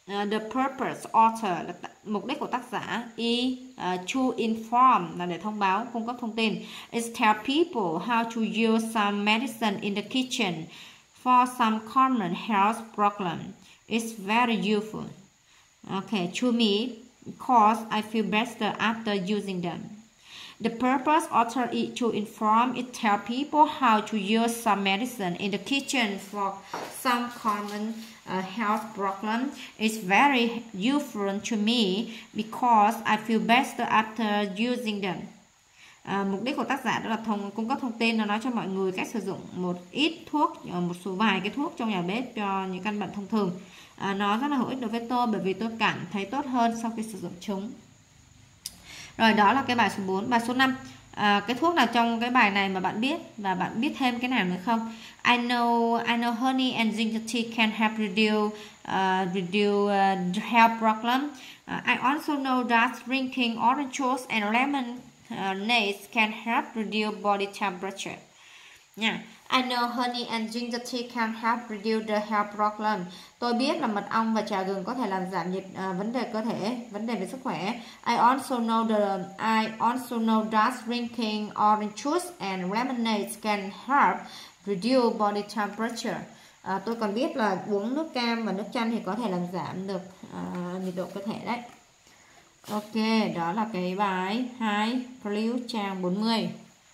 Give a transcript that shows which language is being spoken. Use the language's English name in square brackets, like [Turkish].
[Vietnamese] The purpose author là mục đích của tác giả. To inform là để thông báo, cung cấp thông tin. [English] Is tell people how to use some medicine in the kitchen for some common health problem. It's very useful. Okay, to me, because I feel better after using them. The purpose author is to inform it tell people how to use some medicine in the kitchen for some common health problem. It's very useful to me because I feel better after using them. [Vietnamese] Mục đích của tác giả đó là cung cấp thông tin nó nói cho mọi người cách sử dụng một ít thuốc, một số vài cái thuốc trong nhà bếp cho những căn bệnh thông thường. Nó rất là hữu ích đối với tôi bởi vì tôi cảm thấy tốt hơn sau khi sử dụng chúng. Rồi đó là cái bài số 4. Bài số 5, cái thuốc nào trong cái bài này mà bạn biết và bạn biết thêm cái nào nữa không? [English] I know honey and ginger tea can help reduce health problem. I also know that drinking orange juice and lemon nice can help reduce body temperature. Yeah. I know honey and ginger tea can help reduce the health problem. [Vietnamese] Tôi biết là mật ong và trà gừng có thể làm giảm nhiệt vấn đề cơ thể, vấn đề về sức khỏe. [English] I also know that drinking orange juice and lemonade can help reduce body temperature. [Vietnamese] Tôi còn biết là uống nước cam và nước chanh thì có thể làm giảm được nhiệt độ cơ thể đấy. Ok, đó là cái bài 2, Blue Trang 40.